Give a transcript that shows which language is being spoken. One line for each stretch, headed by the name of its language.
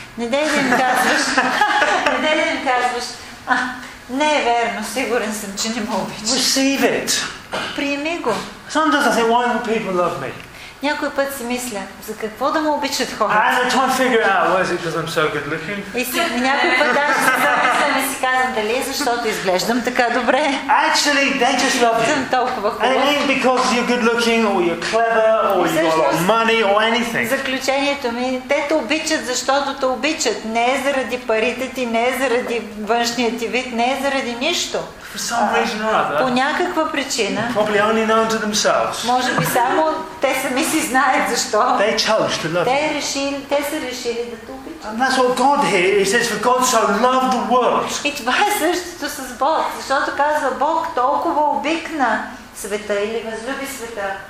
Bulgarian: Не дей да им казваш, не е верно, сигурен съм, че не ме обичаш.
English: Receive it.
Bulgarian: Приеми го.
English: Sometimes I think, why do people love me?
Bulgarian: Някой път си мисля, за какво да ме обичат хората?
English: I try to figure out, why is it because I'm so good looking?
Bulgarian: И някой път аз се записам и си казвам, дали е защото изглеждам така добре?
English: Actually, they just love you.
Bulgarian: Съм толкова хубав.
English: And it ain't because you're good looking, or you're clever, or you got a lot of money, or anything.
Bulgarian: Заключението ми, те те обичат, защото те обичат. Не е заради парите ти, не е заради външния ти вид, не е заради нищо.
English: For some reason or other.
Bulgarian: По някаква причина.
English: Probably only known to themselves.
Bulgarian: Може би само те сами си знаят защо.
English: They chose to love.
Bulgarian: Те са решили да те обичат.
English: And that's what God here. He says, for God so loved the world.
Bulgarian: И това е същото с Бог, защото казва Бог толкова обикна света или възлюби света.